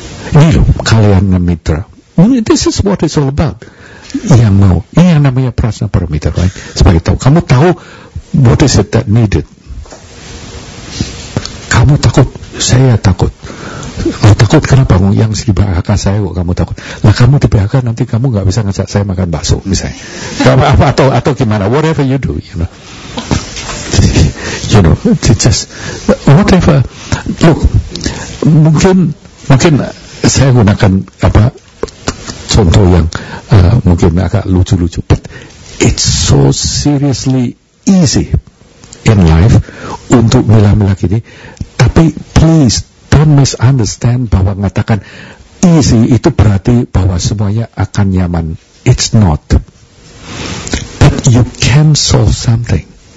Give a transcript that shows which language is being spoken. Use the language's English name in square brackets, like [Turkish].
[Indonesian] Ini loh, kalian mitra, [English] this is what it's all about. [Indonesian] Yang mau, ini yang namanya prasna paramita, [English] right? [Indonesian] Sebagai tahu, kamu tahu [English] what is it that needed. [Indonesian] Kamu takut, saya takut. Kamu takut kenapa? Yang di BHK saya kok kamu takut? Lah kamu di BHK nanti kamu gak bisa ngajak saya makan bakso misalnya. Kamu, atau gimana? [English] Whatever you do, you know. You know, it's just whatever. Look, [Indonesian] mungkin saya gunakan apa? Contoh yang mungkin agak lucu-lucu, [English] but it's so seriously easy in life [Indonesian] untuk milah-milah gini. Tapi [English] please don't misunderstand [Indonesian] bahwa mengatakan [English] easy [Indonesian] itu berarti bahwa semuanya akan nyaman. [English] It's not. But you can solve something.